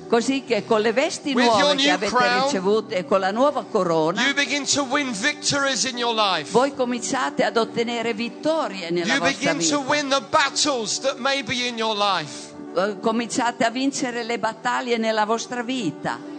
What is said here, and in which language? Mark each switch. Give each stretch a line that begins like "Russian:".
Italian: così che con le vesti nuove che avete ricevuto e con la nuova corona,
English: you begin to win victories in your life.
Italian: Voi cominciate ad ottenere vittorie nella
English: you
Italian: vostra
English: begin
Italian: vita.
English: To win the battles that may be in your life.
Italian: Cominciate a vincere le battaglie nella vostra vita.